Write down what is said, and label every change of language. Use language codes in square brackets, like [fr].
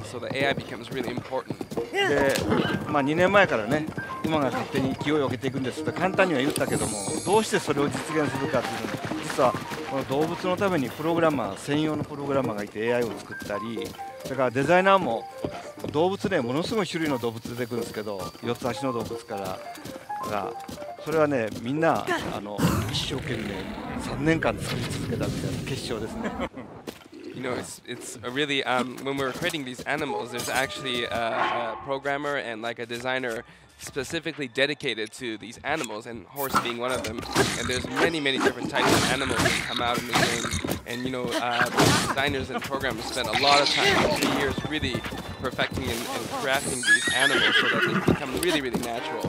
[en] So the AI becomes really important. [ja] で、まあ2年前からね、馬が勝手に勢いを上げていくんですと簡単には言ったけども、どうしてそれを実現するかっていうのは、実はこの動物のためにプログラマー専用のプログラマーがいて AI を作ったり、だからデザイナーも動物ね、ものすごい種類の動物出てくるんですけど、四つ足の動物から。がそれはね、みんなあの一生懸命3年間作り続けたみたいな結晶ですね。 [en] You know, it's really, when we're creating these animals, there's actually a programmer and like a designer specifically dedicated to these animals, and horse being one of them. And there's many, many different types of animals that come out in the game. And you know, designers and programmers spend a lot of time, 3 years, really perfecting and crafting these animals so that they become really, really natural.